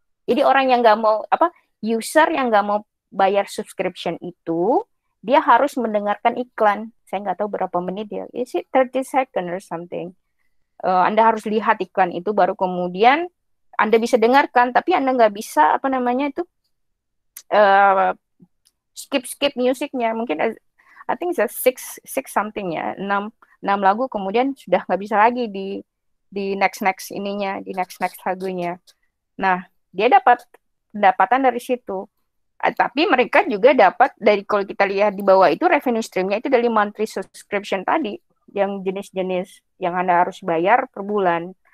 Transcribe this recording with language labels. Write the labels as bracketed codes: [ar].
[id] Jadi orang yang nggak mau, apa, user yang nggak mau bayar subscription itu, dia harus mendengarkan iklan. Saya nggak tahu berapa menit ya. [en] Is it 30 second or something? [id] Anda harus lihat iklan itu, baru kemudian Anda bisa dengarkan, tapi Anda nggak bisa, apa namanya itu, skip-skip musiknya. [en] Mungkin, I think it's a six something ya. [id] 6 lagu, kemudian sudah nggak bisa lagi di next-next lagunya. Nah, dia dapat pendapatan dari situ. Tapi mereka juga dapat dari, kalau kita lihat di bawah itu, revenue stream-nya itu dari monthly subscription tadi, yang jenis-jenis yang Anda harus bayar per bulan.